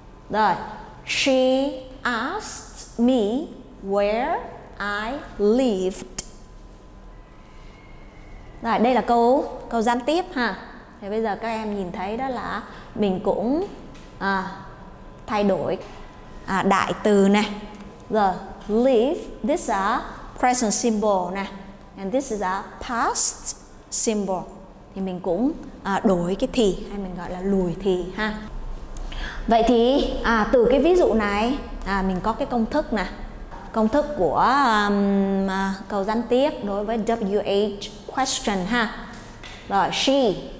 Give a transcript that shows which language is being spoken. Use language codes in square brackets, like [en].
[en] Rồi, she asked me where I lived. [vi] Rồi, đây là câu gián tiếp ha. Thì bây giờ các em nhìn thấy đó là mình cũng thay đổi đại từ này. [en] Rồi, live, this is a present symbol nè, and this is a past symbol. [vi] Thì mình cũng đổi cái thì, hay mình gọi là lùi thì ha. Vậy thì từ cái ví dụ này mình có cái công thức nè. Công thức của câu gián tiếp đối với WH question ha. Rồi, she.